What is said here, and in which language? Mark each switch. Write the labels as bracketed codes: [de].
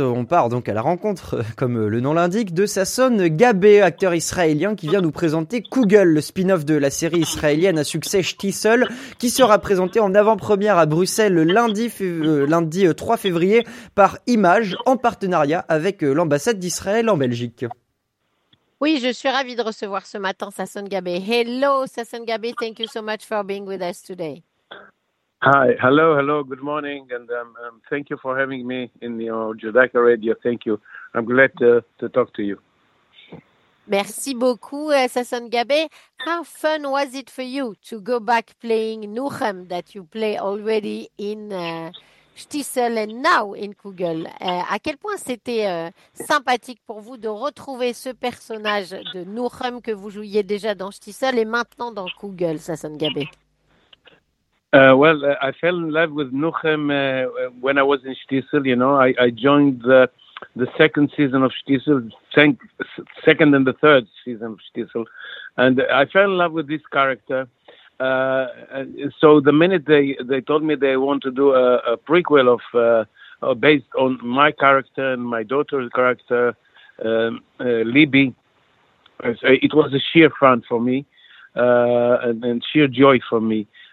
[fr] On part donc à la rencontre, comme le nom l'indique, de Sasson Gabeh, acteur israélien qui vient nous présenter Kugel, le spin-off de la série israélienne à succès Shtissel, qui sera présenté en avant-première à Bruxelles lundi 3 février par Image, en partenariat avec l'ambassade d'Israël en Belgique. Oui, je suis ravie de recevoir ce matin Sasson Gabeh. [en] Hello Sasson Gabeh, thank you so much for being with us today. Hi, hello, hello, good morning, and thank you for having me in your Judaica radio, thank you. I'm glad to talk to you. [fr] Merci beaucoup, Sasson Gabeh. [en] How fun was it for you to go back playing Nuchem that you play already in Shtissel and now in Kugel? [fr] À quel point c'était sympathique pour vous de retrouver ce personnage de Nuchem que vous jouiez déjà dans Shtissel et maintenant dans Kugel, Sasson Gabeh? [en] Well, I fell in love with Nuchem when I was in Shtissel. You know, I joined the second season of Shtissel, second and the third season of Shtissel, and I fell in love with this character. So the minute they told me they want to do a prequel of based on my character and my daughter's character, Libby, it was a sheer fun for me and sheer joy for me.